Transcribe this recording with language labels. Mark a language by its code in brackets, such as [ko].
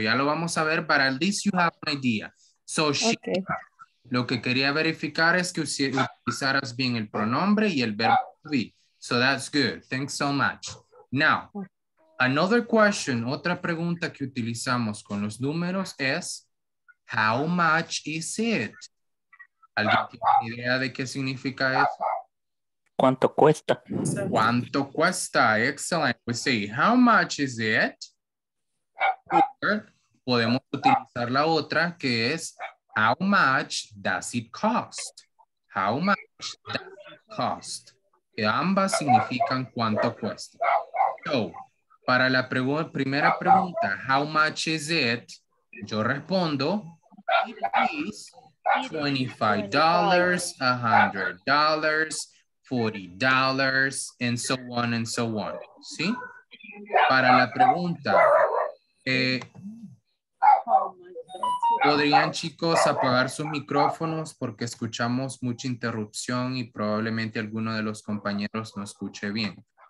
[es] Ya lo vamos a ver, [en] but at least you have an idea. So she, okay. [es] Lo que quería verificar es que utilizaras bien el pronombre y el verbo to be. [en] So that's good. Thanks so much. Now, another question, [es] otra pregunta que utilizamos con los números es, [en] how much is it? [es] ¿Alguien tiene idea de qué significa eso? ¿Cuánto cuesta? ¿Cuánto cuesta? [en] Excellent. We say, how much is it? Or [es] podemos utilizar la otra que es, [en] how much does it cost? How much does it cost? [es] Que ambas significan cuánto cuesta. [en] So, [es] para la primera pregunta, [en] how much is it? Yo respondo, it is $25, $100, $40, and so on and so on. [es] ¿Sí? Para la pregunta, ¿podrían chicos apagar sus micrófonos? Porque escuchamos mucha interrupción y probablemente alguno de los compañeros no escuche bien.